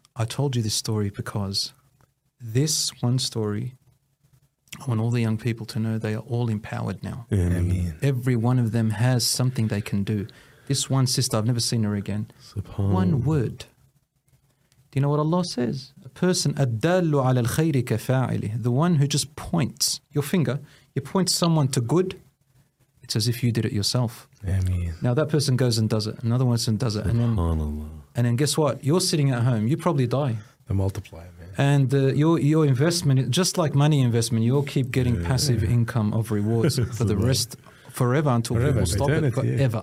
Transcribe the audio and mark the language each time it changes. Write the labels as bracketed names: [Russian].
[English] I told you this story because this one story, I want all the young people to know they are all empowered now. Amen. Every one of them has something they can do. This one sister, I've never seen her again. Subhanallah. One word. Do you know what Allah says? A person, [Arabic] أَدَّلُّ عَلَى الْخَيْرِ كَفَاعِلِهِ. [English] The one who just points your finger, you point someone to good, it's as if you did it yourself. Amen. Now that person goes and does it. Another person does it. And then guess what? You're sitting at home. You probably die. The multiplier, man. And your investment, just like money investment, you'll keep getting passive income of rewards for the rest, forever.